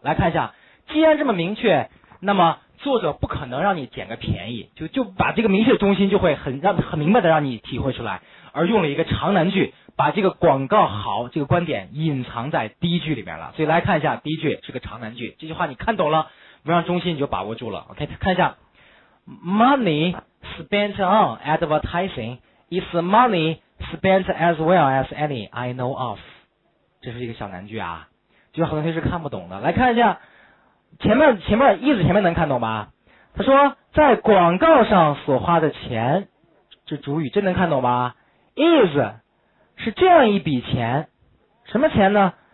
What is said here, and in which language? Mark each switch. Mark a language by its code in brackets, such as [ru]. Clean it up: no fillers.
[zh] 来看一下，既然这么明确，那么作者不可能让你捡个便宜，就把这个明确中心就会很明白的让你体会出来，而用了一个长难句把这个广告好这个观点隐藏在第一句里面了。所以来看一下，第一句是个长难句，这句话你看懂了，文章中心你就把握住了。 [en] OK， 看一下， Money spent on advertising is money spent as well as any I know of。 [zh] 这是一个小难句啊，就很多同学是看不懂的。来看一下前面意思，前面能看懂吧？他说在广告上所花的钱，这主语，这能看懂吧？ is 是这样一笔钱，什么钱呢？